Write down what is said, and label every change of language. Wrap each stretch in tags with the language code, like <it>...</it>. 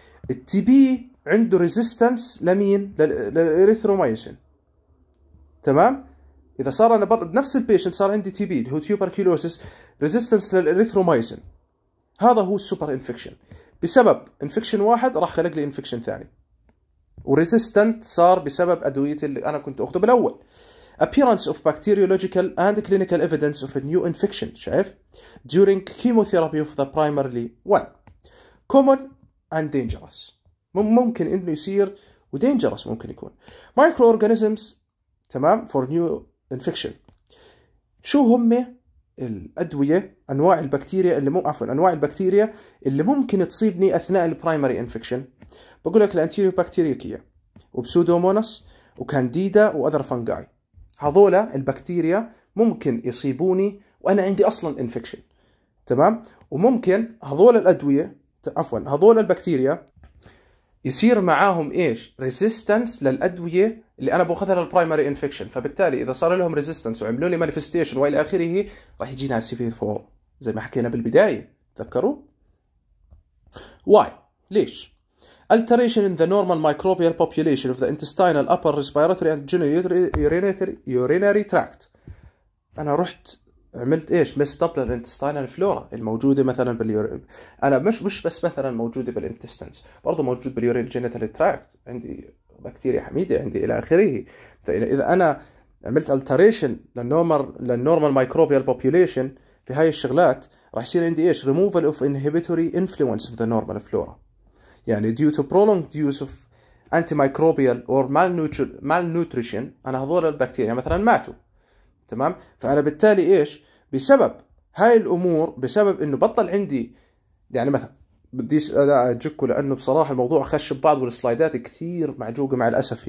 <ar>التي بي عنده ريزيستنس لمين؟ للاريثرومايسين تمام. اذا صار انا بنفس البيشنت صار عندي تي بي اللي هو تيوبركيلوسيس ريزيستنس للاريثروميسين، هذا هو السوبر انفكشن. بسبب انفكشن واحد راح خلق لي انفكشن ثاني، وريزيستنت صار بسبب ادويه اللي انا كنت اخذه بالاول.</ar> <en>Appearance of bacteriological and clinical evidence of a new infection, شايف؟ During chemotherapy of the primarily one. Common and dangerous.</en> <ar>ممكن انه يصير ودينجرس ممكن يكون.</ar> <en>Microorganisms, تمام؟ For new infection.</en> <ar>شو هم الأدوية، أنواع البكتيريا اللي أنواع البكتيريا اللي ممكن تصيبني أثناء البرايمري انفكشن؟ بقول لك الأنتيريو بكتيريكية وبسودوموناس وكانديدا وأذر فانجاي. هذولا البكتيريا ممكن يصيبوني وانا عندي اصلا انفكشن، تمام. وممكن هذول الادويه هذول البكتيريا يصير معاهم ايش ريزيستنس للادويه اللي انا باخذها للبرايمري انفكشن، فبالتالي اذا صار لهم ريزيستنس وعملوا لي مانيفيستيشن والى اخره راح يجينا سيفير فور زي ما حكينا بالبدايه، تذكروا.</ar> <en>Why ليش؟ Alteration in the normal microbial population of the intestinal, upper respiratory and genitourinary urinary tract.</en> <ar>أنا رحت عملت إيش؟</ar> <en>messed up</en> <ar>للintestinal flora الموجودة مثلاً باليورين. أنا مش بس مثلاً موجودة بالintestines، برضو موجود باليورين genital tract. عندي بكتيريا حميدة عندي إلى آخره. فإذا أنا عملت</ar> <en>alteration للnormal microbial population</en> <ar>في هاي الشغلات راح يصير عندي إيش؟</ar> <en>removal of inhibitory influence of the normal flora.</en> <ar>يعني</ar> <en>due to prolonged use of antimicrobial or malnutrition</en> <ar>أنا هذول البكتيريا مثلاً ماتوا، تمام؟ فأنا بالتالي إيش؟ بسبب هاي الأمور، بسبب إنه بطل عندي، يعني مثلاً بديش أنا أجكوا لأنه بصراحة الموضوع خش ببعض والسلايدات كثير معجوقة مع الأسف.</ar>